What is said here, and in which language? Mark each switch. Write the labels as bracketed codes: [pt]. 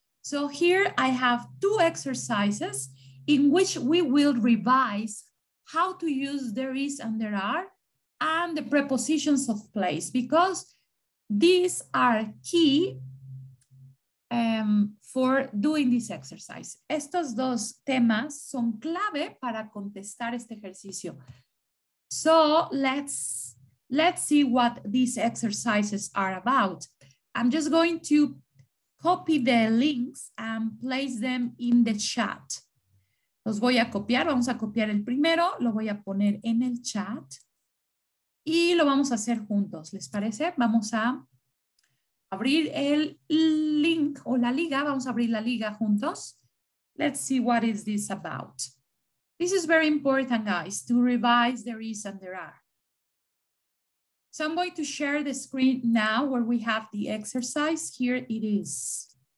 [en] So here I have two exercises in which we will revise how to use there is and there are and the prepositions of place, because these are key for doing this exercise. [es] Estos dos temas son clave para contestar este ejercicio. [en] So let's see what these exercises are about. I'm just going to copy the links and place them in the chat. [es] Los voy a copiar, vamos a copiar el primero, lo voy a poner en el chat y lo vamos a hacer juntos, ¿les parece? Vamos a abrir el link o la liga, vamos a abrir la liga juntos. [en] Let's see what is this about. This is very important, guys, to revise there is and there are. So I'm going to share the screen now where we have the exercise. Here it is.